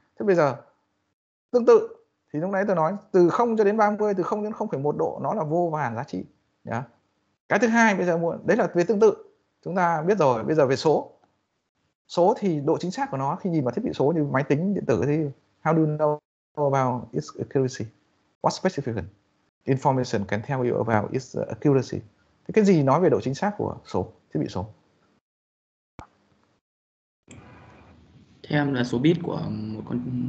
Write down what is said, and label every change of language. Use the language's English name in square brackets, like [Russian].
[Vietnamese] Thế bây giờ tương tự thì lúc nãy tôi nói từ 0 cho đến 30, từ 0 đến 0.1 độ nó là vô vàn giá trị. Cái thứ hai bây giờ muốn đấy là về tương tự. Chúng ta biết rồi, bây giờ về số. Số thì độ chính xác của nó khi nhìn vào thiết bị số như máy tính, điện tử thì how do you know about its accuracy? [English] What specific information can tell you about its accuracy? [Vietnamese] Thế cái gì nói về độ chính xác của số, thiết bị số? Theo em là số bit của một con...